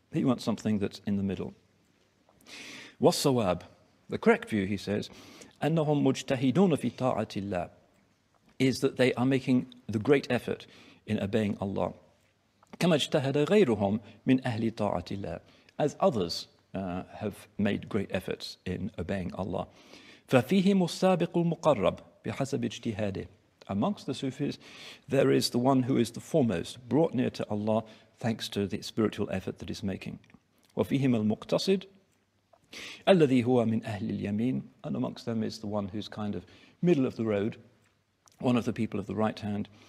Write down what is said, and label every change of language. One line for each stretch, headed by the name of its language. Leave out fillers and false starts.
English: He wants something that's in the middle.
Arabic: والصواب,
English: the correct view, he says,
Arabic: أنهم مجتهدون في طاعة الله,
English: is that they are making the great effort in obeying Allah.
Arabic: كما اجتهد غيرهم من أهل طاعة الله,
English: as others have made great efforts in obeying Allah.
Arabic: ففيهم السابق المقرب بحسب اجتهاده.
English: Amongst the Sufis, there is the one who is the foremost, brought near to Allah, thanks to the spiritual effort that he's making.
Arabic: وَفِيهِمَ الْمُقْتَصِدِ الَّذِي هُوَ مِنْ أَهْلِ الْيَمِينِ.
English: And amongst them is the one who's kind of middle of the road, one of the people of the right hand.